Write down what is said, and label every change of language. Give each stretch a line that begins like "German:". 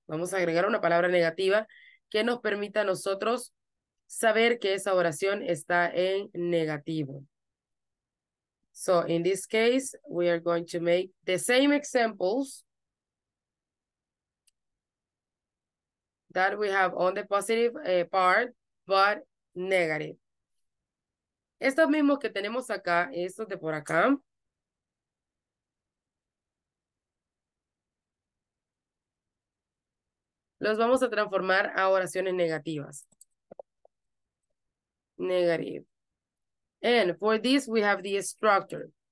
Spanish: Vamos a agregar una palabra negativa que nos permita a nosotros saber que esa oración está en negativo.
English: So, in this case, we are going to make the same examples that we have on the positive part, but negative.
Spanish: Estos mismos que tenemos acá, estos de por acá, los vamos a transformar a oraciones negativas.
English: Negative. And for this, we have the structure.